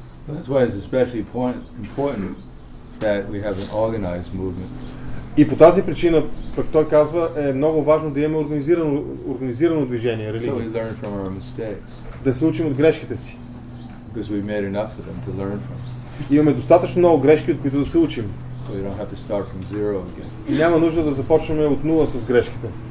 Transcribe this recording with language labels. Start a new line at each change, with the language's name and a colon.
English: That's why it's especially important that we have an organized movement.
Bulgarian: И по тази причина, пък той казва, е много важно да имаме организирано движение, религия.
English: So
Bulgarian: да се учим от грешките си.
English: Because we've made enough of them to learn from.
Bulgarian: Имаме достатъчно много грешки, от които да се учим.
English: So you don't have to start from zero again.
Bulgarian: И няма нужда да започнем от нула с грешките.